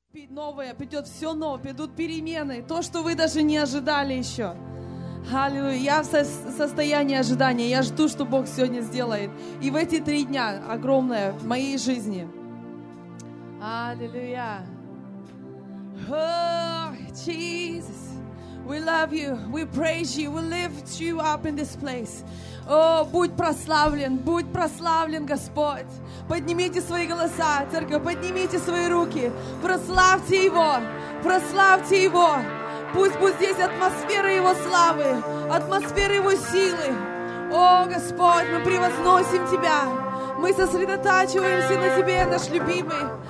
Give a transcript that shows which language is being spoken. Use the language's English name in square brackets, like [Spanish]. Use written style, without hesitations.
[Russian] Новое придет, все новое, придут перемены, то, что вы даже не ожидали еще. Аллилуйя. Я в состоянии ожидания, я жду, что Бог сегодня сделает. И в эти три дня огромное в моей жизни. Аллилуйя. [English] Oh, Jesus, we love you, we praise you, we lift you up in this place. [Russian] О, будь прославлен, Господь. Поднимите свои голоса, церковь, поднимите свои руки. Прославьте Его, прославьте Его. Пусть будет здесь атмосфера Его славы, атмосфера Его силы. О, Господь, мы превозносим Тебя. Мы сосредотачиваемся на Тебе, наш любимый.